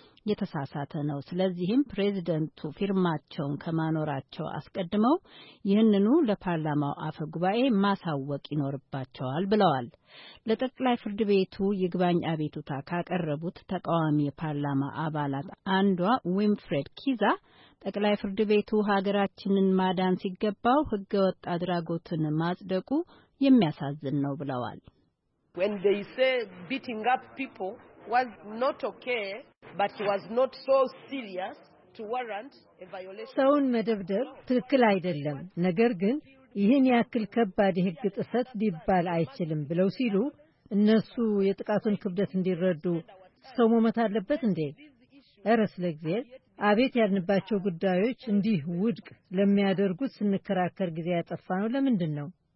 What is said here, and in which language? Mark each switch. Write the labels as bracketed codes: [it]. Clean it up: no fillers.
[am] የተሳሳተ ነው፣ ስለዚህም ፕሬዝዳንቱ ፊርማቸውን ከማኖራቸው አስቀድመው ይህንኑ ለፓርላማው አፈ ጉባኤ ማሳወቅ ይኖርባቸዋል ብለዋል። ለጠቅላይ ፍርድ ቤቱ ይግባኝ አቤቱታ ካቀረቡት ተቃዋሚ የፓርላማ አባላት አንዷ ዊንፍሬድ ኪዛ ጠቅላይ ፍርድ ቤቱ ሀገራችንን ማዳን ሲገባው ሕገ ወጥ አድራጎትን ማጽደቁ የሚያሳዝን ነው ብለዋል። [en] When they say beating up people was not okay, but it was not so serious to warrant a violation. [am] ሰውን መደብደብ ትክክል አይደለም፣ ነገር ግን ይህን ያክል ከባድ የሕግ ጥሰት ሊባል አይችልም ብለው ሲሉ እነሱ የጥቃቱን ክብደት እንዲረዱ ሰው መሞት አለበት እንዴ? እረ ስለእግዚአብሔር አቤት ያልንባቸው ጉዳዮች እንዲህ ውድቅ ለሚያደርጉት ስንከራከር ጊዜ ያጠፋ ነው ለምንድን ነው?